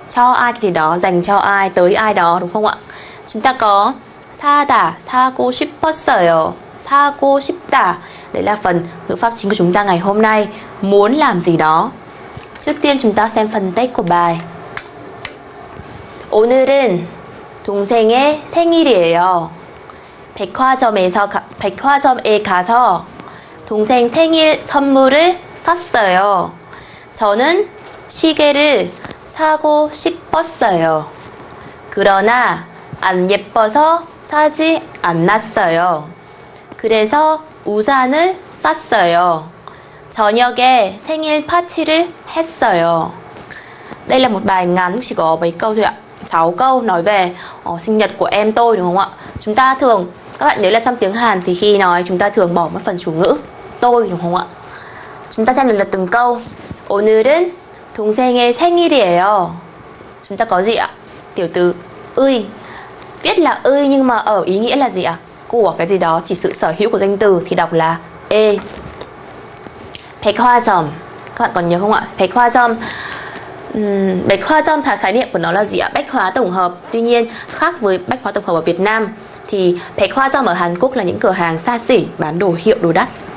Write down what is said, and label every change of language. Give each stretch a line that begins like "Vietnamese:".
Vietnamese: Cho ai thì đó, dành cho ai, tới ai đó, đúng không ạ? Chúng ta có
Korean: 사다, 사고 싶었어요. 사고 싶다.
Vietnamese: Đấy là phần ngữ pháp chính của chúng ta ngày hôm nay. Muốn làm gì đó. Trước tiên chúng ta xem phần text của bài.
Korean: 오늘은 동생의 생일이에요. 백화점에 가서 동생 생일 선물을 샀어요. 저는 시계를 사고 싶었어요. 그러나 안 예뻐서 사지 않았어요. 그래서 우산을 샀어요. 저녁에 생일 파티를 했어요.
Vietnamese: Đây là một bài ngắn, chỉ có mấy câu thôi ạ. 6 câu nói về sinh nhật của em tôi, đúng không ạ? Chúng ta thường, các bạn nhớ là trong tiếng Hàn thì khi nói chúng ta thường bỏ một phần chủ ngữ tôi, đúng không ạ? Chúng ta xem lần lượt từng câu.
Korean: 오늘은 동생의 생일이에요.
Vietnamese: Chúng ta có gì ạ? Tiểu từ 의. Viết là 의 nhưng mà ở ý nghĩa là gì ạ? Của cái gì đó, chỉ sự sở hữu của danh từ thì đọc là e.
Korean: 백화점.
Vietnamese: Các bạn còn nhớ không ạ? 백화점. 백화점 khái niệm của nó là gì ạ? Bách hóa tổng hợp. Tuy nhiên, khác với bách hóa tổng hợp ở Việt Nam thì 백화점 ở Hàn Quốc là những cửa hàng xa xỉ bán đồ hiệu, đồ đắt.